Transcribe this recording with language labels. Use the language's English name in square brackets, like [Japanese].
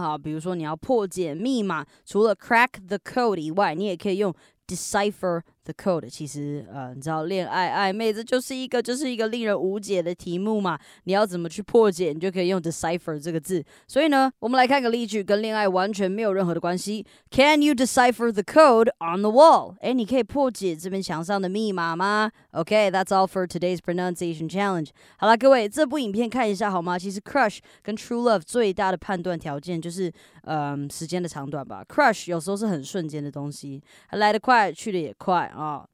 [Chinese] 好，比如说你要破解密码，除了 crack the code 以外，你也可以用 decipher the code。其实，你知道恋爱暧昧，这就是一个令人无解的题目嘛。你要怎么去破解，你就可以用 decipher 这个字。所以呢，我们来看个例句，跟恋爱完全没有任何的关系。 [English] Can you decipher the code on the wall？ [Chinese] 哎，你可以破解这边墙上的密码吗？ [English] OK， that's all for today's pronunciation challenge。 [Chinese] 好了，各位，这部影片看一下好吗？其实 crush 跟 true love 最大的判断条件就是，时间的长短吧。crush 有时候是很瞬间的东西，来得快，去得也快啊。